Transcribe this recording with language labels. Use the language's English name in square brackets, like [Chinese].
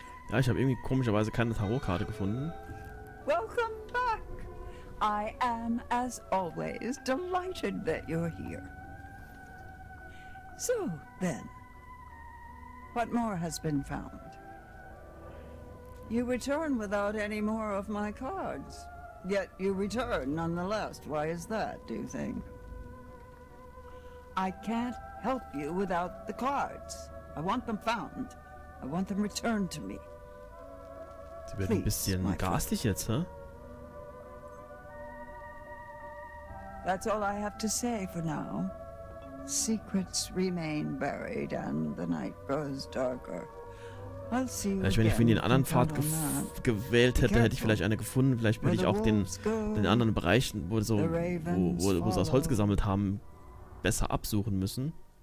[German] Ja, ich habe irgendwie komischerweise keine Tarotkarte gefunden. [English] Welcome back. I am, as always, delighted that you're here. So then, what more has been found? You return without any more of my cards. Yet you return nonetheless. Why is that, do you think? I can't help you without the cards. I want them found. I want them returned to me. [German] Sie wird ein bisschen garstig jetzt, huh? [English] That's all I have to say for now. Secrets remain buried and the night grows darker. I'll see you. [German] Wenn ich den anderen Pfad gewählt hätte, hätte ich vielleicht eine gefunden. Vielleicht bin ich auch den anderen Bereich, wo sie aus Holz gesammelt haben, besser absuchen müssen.